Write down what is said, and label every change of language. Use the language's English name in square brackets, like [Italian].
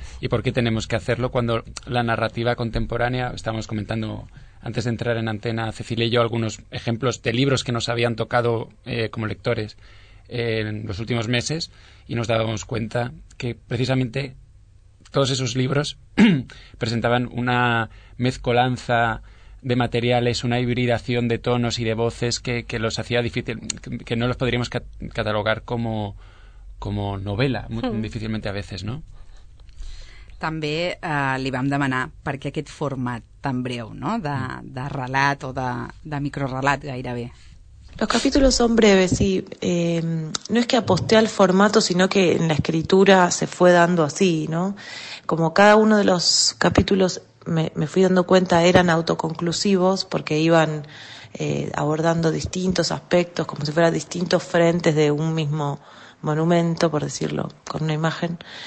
[Spanish] Y por qué tenemos que hacerlo cuando la narrativa contemporánea, estábamos comentando antes de entrar en antena, Cecilia y yo, algunos ejemplos de libros que nos habían tocado como lectores en los últimos meses, y nos dábamos cuenta que precisamente todos esos libros presentaban una mezcolanza de materiales, una hibridación de tonos y de voces que los hacía difícil, que no los podríamos catalogar como novela, difícilmente a veces, ¿no? [Catalan] També li vam demanar per què aquest format tan breu, no? De relat o de microrelat gairebé. [Spanish] Los capítulos son breves y no es que aposté al formato, sino que en la escritura se fue dando así, ¿no? Como cada uno de los capítulos me fui dando cuenta eran autoconclusivos porque iban abordando distintos aspectos, como si fueran distintos frentes de un mismo monumento, por decirlo con una imagen.